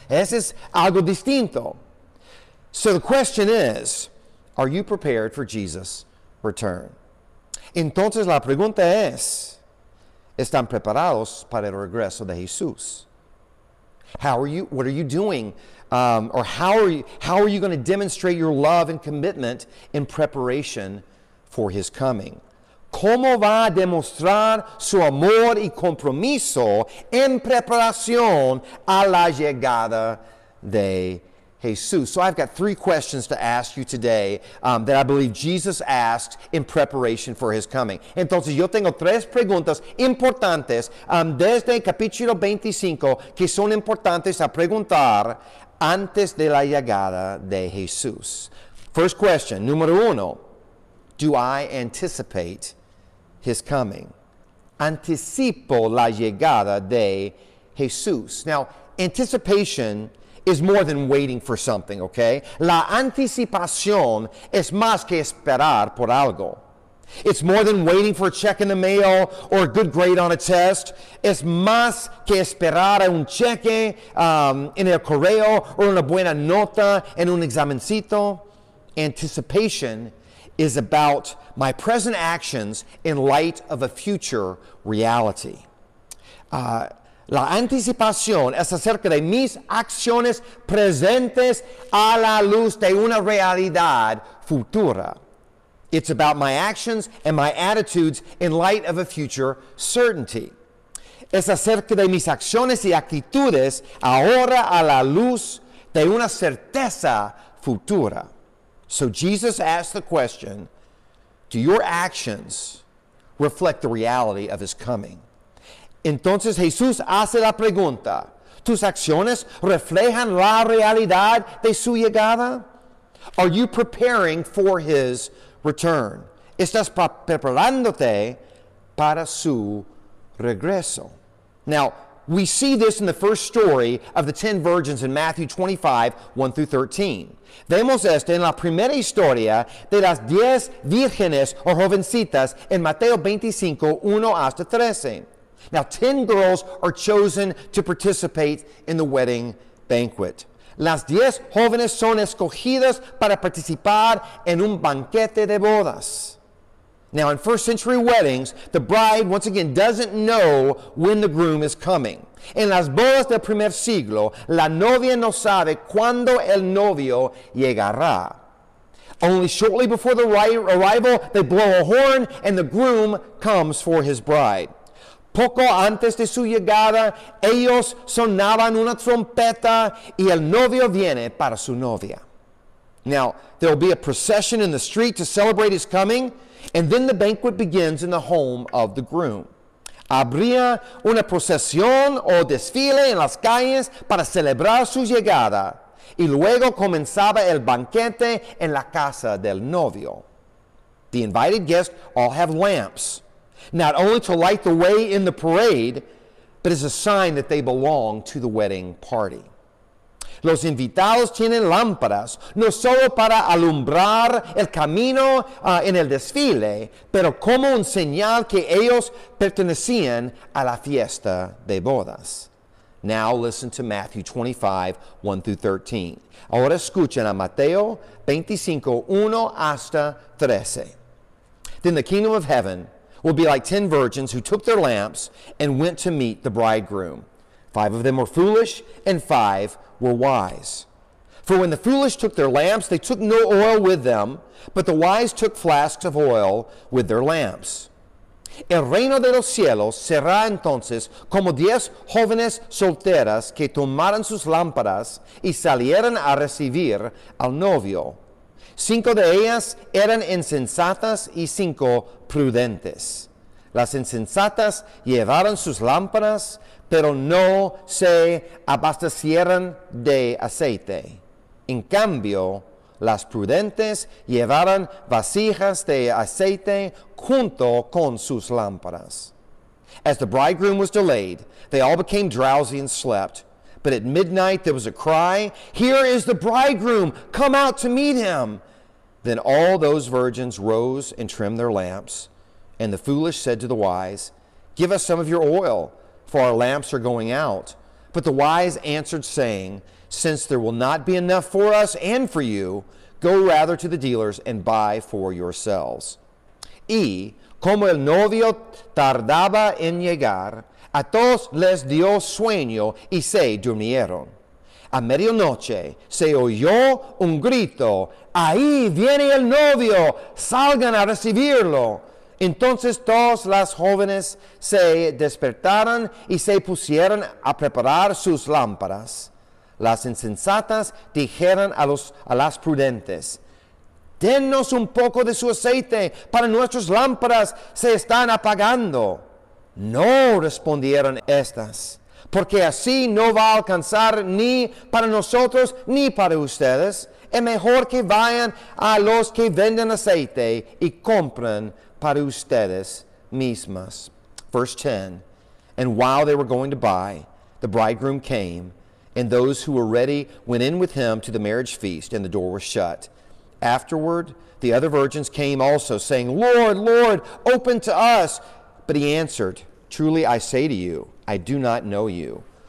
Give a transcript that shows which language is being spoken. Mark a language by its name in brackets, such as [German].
[Spanish] Ese es algo distinto. [English] So the question is, are you prepared for Jesus' return? [Spanish] Entonces la pregunta es, ¿están preparados para el regreso de Jesús? [English] How are you, what are you doing? How are you going to demonstrate your love and commitment in preparation for his coming? [Spanish] ¿Cómo va a demostrar su amor y compromiso en preparación a la llegada de Jesús? [English] So I've got three questions to ask you today that I believe Jesus asked in preparation for his coming. [Spanish] Entonces, yo tengo tres preguntas importantes desde el capítulo 25 que son importantes a preguntar antes de la llegada de Jesús. [English] First question, [Spanish] número uno, [English] do I anticipate his coming? [Spanish] Anticipo la llegada de Jesús. [English] Now, anticipation is more than waiting for something, okay? [Spanish] La anticipación es más que esperar por algo. [English] It's more than waiting for a check in the mail or a good grade on a test. [Spanish] Es más que esperar a un cheque en el correo o una buena nota en un examencito. [English] Anticipation is about my present actions in light of a future reality. [Spanish] La anticipación es acerca de mis acciones presentes a la luz de una realidad futura. [English] It's about my actions and my attitudes in light of a future certainty. [Spanish] Es acerca de mis acciones y actitudes ahora a la luz de una certeza futura. [English] So Jesus asked the question, do your actions reflect the reality of his coming? [Spanish] Entonces Jesús hace la pregunta, ¿tus acciones reflejan la realidad de su llegada? [English] Are you preparing for his return? [Spanish] ¿Estás preparándote para su regreso? [English] Now, we see this in the first story of the 10 virgins in Matthew 25, 1 through 13. [Spanish] Vemos esto en la primera historia de las 10 vírgenes o jovencitas en Mateo 25, 1 hasta 13. [English] Now, 10 girls are chosen to participate in the wedding banquet. [Spanish] Las 10 jóvenes son escogidas para participar en un banquete de bodas. [English] Now, in first century weddings, the bride, once again, doesn't know when the groom is coming. [Spanish] En las bodas del primer siglo, la novia no sabe cuándo el novio llegará. [English] Only shortly before the arrival, they blow a horn and the groom comes for his bride. [Spanish] Poco antes de su llegada, ellos sonaban una trompeta y el novio viene para su novia. [English] Now, there will be a procession in the street to celebrate his coming, and then the banquet begins in the home of the groom. [Spanish] Habría una procesión o desfile en las calles para celebrar su llegada, y luego comenzaba el banquete en la casa del novio. [English] The invited guests all have lamps, not only to light the way in the parade, but as a sign that they belong to the wedding party. [Spanish] Los invitados tienen lámparas, no solo para alumbrar el camino en el desfile, pero como un señal que ellos pertenecían a la fiesta de bodas. [English] Now listen to Matthew 25, 1 through 13. [Spanish] Ahora escuchen a Mateo 25, 1 hasta 13. [English] Then the kingdom of heaven will be like 10 virgins who took their lamps and went to meet the bridegroom. 5 of them were foolish and 5 were wise. For when the foolish took their lamps, they took no oil with them, but the wise took flasks of oil with their lamps. [Spanish] El reino de los cielos será entonces como 10 jóvenes solteras que tomaron sus lámparas y salieron a recibir al novio. 5 de ellas eran insensatas y 5 prudentes. Las insensatas llevaron sus lámparas, pero no se abastecieron de aceite. En cambio, las prudentes llevaron vasijas de aceite junto con sus lámparas. [English] As the bridegroom was delayed, they all became drowsy and slept. But at midnight there was a cry, "Here is the bridegroom, come out to meet him." Then all those virgins rose and trimmed their lamps. And the foolish said to the wise, "Give us some of your oil, for our lamps are going out." But the wise answered, saying, "Since there will not be enough for us and for you, go rather to the dealers and buy for yourselves." [Spanish] Y como el novio tardaba en llegar, a todos les dio sueño y se durmieron. A medianoche se oyó un grito, "Ahí viene el novio, salgan a recibirlo." Entonces todas las jóvenes se despertaron y se pusieron a preparar sus lámparas. Las insensatas dijeron a las prudentes, "Denos un poco de su aceite, para nuestras lámparas se están apagando." "No," respondieron estas, "porque así no va a alcanzar ni para nosotros ni para ustedes. Es mejor que vayan a los que venden aceite y compren para ustedes mismas." [English] Verse 10, "And while they were going to buy, the bridegroom came, and those who were ready went in with him to the marriage feast, and the door was shut. Afterward, the other virgins came also, saying, 'Lord, Lord, open to us.' But he answered, 'Truly I say to you, I do not know you.